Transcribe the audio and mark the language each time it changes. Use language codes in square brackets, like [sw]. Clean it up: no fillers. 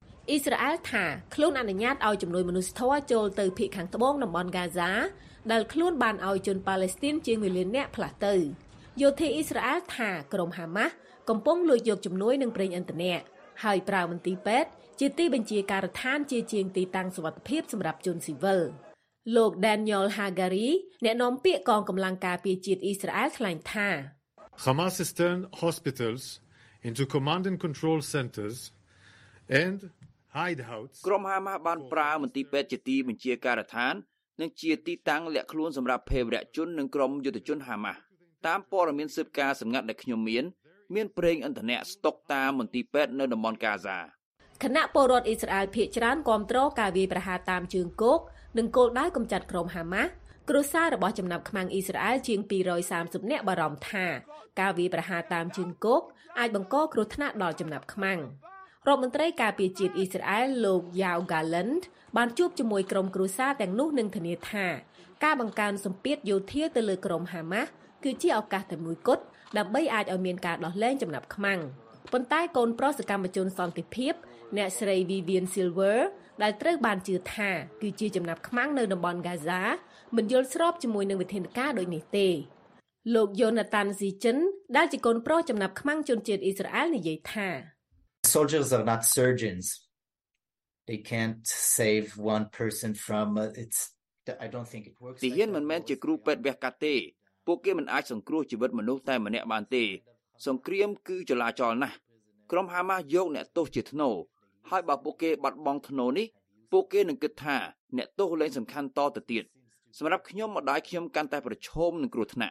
[km] អ៊ីស្រាអែលថាខ្លួនអនុញ្ញាតឲ្យជំនួយមនុស្សធម៌ចូលទៅភាគខាងត្បូងតំបន់កាហ្សាដែលខ្លួនបានឲ្យជនប៉ាឡេស្ទីនជាង1,000,000នាក់ផ្លាស់ទៅយោធាអ៊ីស្រាអែលថាក្រុមហាម៉ាស់កំពុងលួចយកជំនួយនិងប្រេងឥន្ធនៈហើយប្រើមន្ទីរពេទ្យជាទីបញ្ជាការដ្ឋានជាជាងទីតាំងសុវត្ថិភាពសម្រាប់ជនស៊ីវិលលោក Daniel Hagari អ្នកនាំពាក្យកងកម្លាំងការពារជាតិអ៊ីស្រាអែលថ្លែងថា [en] Hamas has turned hospitals into command and control centers and hideouts [km] ក្រុមហាម៉ាស់បានប្រើមន្ទីរពេទ្យជាទីបញ្ជាការដ្ឋាននឹងជាទីតាំងលាក់ខ្លួនសម្រាប់ភេរវជននិងក្រុមយុទ្ធជនហាម៉ាស់តាមព័ត៌មានស៊ើបការណ៍សម្ងាត់ដែលខ្ញុំមានប្រេងឥន្ធនៈស្តុកតាមមន្ទីរពេទ្យនៅតំបន់កាហ្សា គណៈពលរដ្ឋអ៊ីស្រាអែលភាគច្រើនគាំទ្រការវាយប្រហារតាមជើងគោកនិងគោលដៅកំចាត់ក្រុមហាម៉ាស់គ្រួសាររបស់ចំណាប់ខ្មាំងអ៊ីស្រាអែលជាង230នាក់បារម្ភថាការវាយប្រហារតាមជើងគោកអាចបង្កគ្រោះថ្នាក់ដល់ចំណាប់ខ្មាំង រដ្ឋមន្ត្រីការពារជាតិអ៊ីស្រាអែលលោកយ៉ាវ ហ្គាឡិនបានជួបជាមួយក្រុមគ្រួសារទាំងនោះនឹងធានាថាការបង្កើនសម្ពាធយោធាទៅលើក្រុមហាម៉ាស់គឺជាឱកាសតែមួយគត់ដើម្បីអាចឲ្យមានការដោះលែងចំណាប់ខ្មាំងប៉ុន្តែកូនប្រុសសកម្មជនសន្តិភាពអ្នកស្រី Vivian Silver ដែលត្រូវបានជឿថាគឺជាចំណាប់ខ្មាំងនៅតំបន់កាហ្សាមិនយល់ស្របជាមួយនឹងវិធានការដូចនេះទេលោក Jonathan Sichen ដែលជាកូនប្រុសចំណាប់ខ្មាំងជនជាតិអ៊ីស្រាអែលនិយាយថា [en] Soldiers are not surgeons. They can't save one person from it's I don't think it works. [km] ទីហ៊ានមិនមែនជាគ្រូពេទ្យវះកាត់ទេពួកគេមិនអាចសង្គ្រោះជីវិតមនុស្សតែម្នាក់បានទេសង្គ្រាមគឺចលាចលណាស់ក្រុមហាម៉ាស់យកអ្នកទោសជាថ្នូរហើយបើពួកគេបាត់បង់ថ្នូរនេះពួកគេនឹងគិតថាអ្នកទោសលែងសំខាន់តទៅទៀតសម្រាប់ខ្ញុំម្ដាយខ្ញុំកាន់តែប្រឈមនឹងគ្រោះថ្នាក